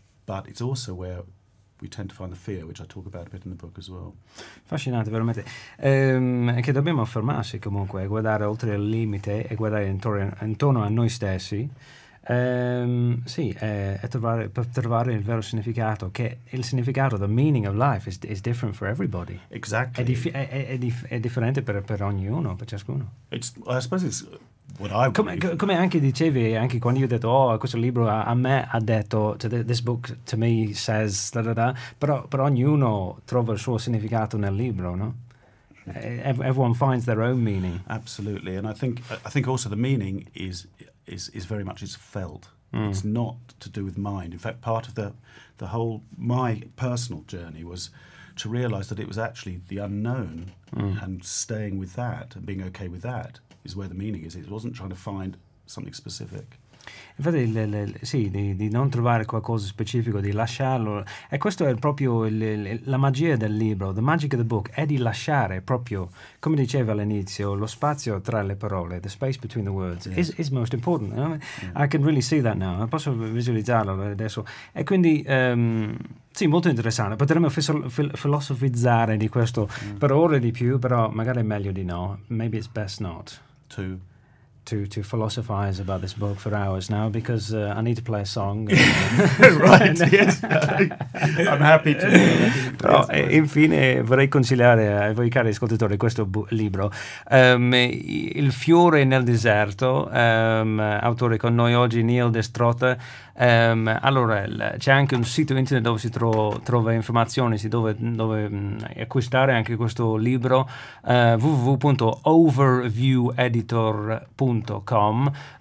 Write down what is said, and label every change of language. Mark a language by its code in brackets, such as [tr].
[en] But it's also where we tend to find the fear, which I talk about a bit in the book as well. [it] Fascinante, veramente. Che dobbiamo affermarsi comunque, guardare oltre il limite e guardare intorno a noi stessi. Trovare il vero significato, che il significato, [en] the meaning of life, is different for everybody. Exactly. [it] È differente per ognuno, per ciascuno. [en] I suppose it's what I [it] come, come anche dicevi, anche quando io ho detto, oh, questo libro a me ha detto, [en] this book to me says, [it] da, da, da, però ognuno trova il suo significato nel libro, no? [en] Everyone finds their own meaning. Absolutely, and I think also the meaning is very much is felt. It's not to do with mind. In fact, part of the whole, my personal journey was to realize that it was actually the unknown and staying with that and being okay with that is where the meaning is. It wasn't trying to find something specific. [it] Infatti, di non trovare qualcosa specifico, di lasciarlo. E questo è proprio la magia del libro. [en] The magic of the book [it] è di lasciare proprio, come diceva all'inizio, lo spazio tra le parole, [en] the space between the words, is most important. You know? Yeah. I can really see that now. [it] Posso visualizzarlo adesso. E quindi, sì, molto interessante. Potremmo filosofizzare di questo per ore di più, però magari è meglio di no. [en] Maybe it's best not. To philosophize about this book for hours now, because I need to play a song. Right, yes. I'm happy to. [it] Però, infine, vorrei consigliare a voi cari ascoltatori questo libro. Il fiore nel deserto, autore con noi oggi, Neil Destrotta. Allora, c'è anche un sito internet dove si trova informazioni, dove acquistare anche questo libro, www.overvieweditor.com.